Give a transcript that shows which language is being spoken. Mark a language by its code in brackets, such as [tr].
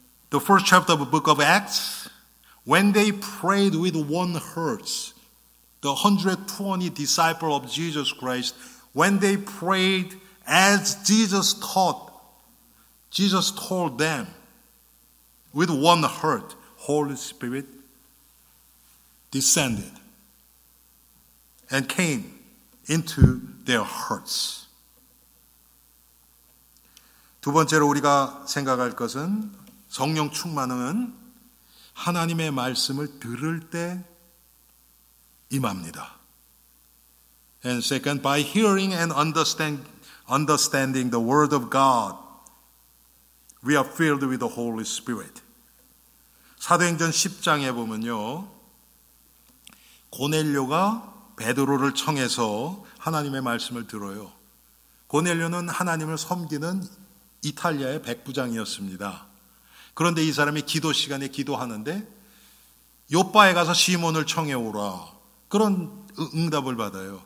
[en] The first chapter of the book of Acts, when they prayed with one heart, the 120 disciples of Jesus Christ, when they prayed as Jesus told them, with one heart, Holy Spirit descended and came into their hearts. [ko] 두 번째로 우리가 생각할 것은 성령 충만은 하나님의 말씀을 들을 때 임합니다. [en] And second, by hearing and understanding the word of God, we are filled with the Holy Spirit. [ko] 사도행전 10장에 보면요. 고넬료가 베드로를 청해서 하나님의 말씀을 들어요. 고넬료는 하나님을 섬기는 이탈리아의 백부장이었습니다. 그런데 이 사람이 기도 시간에 기도하는데 요파에 가서 시몬을 청해오라 그런 응답을 받아요.